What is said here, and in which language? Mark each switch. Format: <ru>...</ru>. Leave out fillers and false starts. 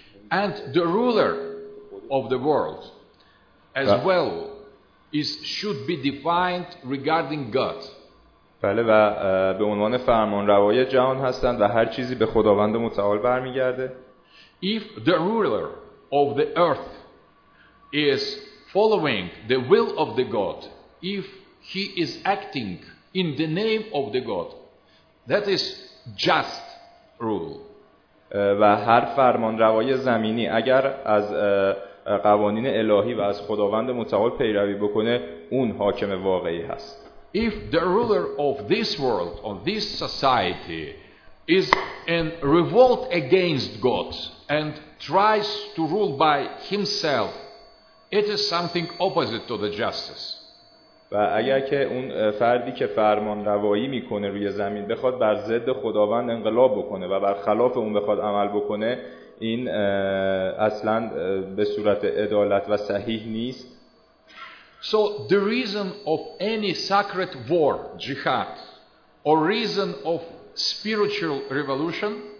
<en>And the ruler of the world as well is should be defined regarding God.</en> <fa>بله، و به عنوان فرمان روای جهان هستند و هر چیزی به خداوند متعال برمیگرده.</fa> <en>If the ruler of the earth is following the will of the God, if he is acting in the name of the God, that is just rule.</en> <fa>و هر فرمان روای زمینی اگر از قوانین الهی و از خداوند متعال پیروی بکنه، اون حاکم واقعی هست.</fa> <en>If the ruler of this world, of this society, is in revolt against God and tries to rule by himself, it is something opposite to the justice.</en> <fa>و اگر که اون فردی که فرمان روایی میکنه روی زمین بخواد بر ضد خداوند انقلاب بکنه و بر خلاف اون بخواد عمل بکنه، این اصلا به صورت عدالت و صحیح نیست.</fa> <en>So the reason of any sacred war, jihad, or reason of spiritual revolution,</en>